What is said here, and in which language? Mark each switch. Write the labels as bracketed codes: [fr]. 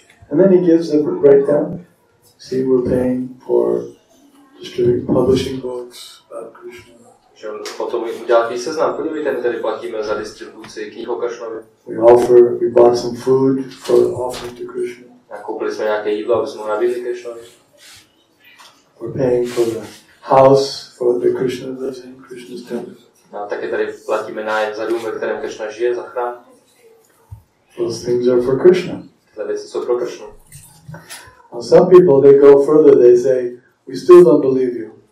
[en] And then he gives a breakdown. See, we're paying for distributing, publishing books about Krishna. [cs] Že on potom udělal tý seznam. Podívejte, my tady platíme za distribuci knih o Krishnovi. [en] We bought some food for offering to Krishna. [cs] A koupili jsme nějaké jídlo, aby jsme ho nabídli Krishnovi. [en] We're paying for the house for the Krishna lives in Krishna's temple. [cs] No, také tady platíme nájem za dům, ve kterém Krishna žije, za chrám. [en] Those things are for Krishna. [cs] Tyhle věci jsou pro Krishna. [en] And some people, they go further, they say, we still don't believe you.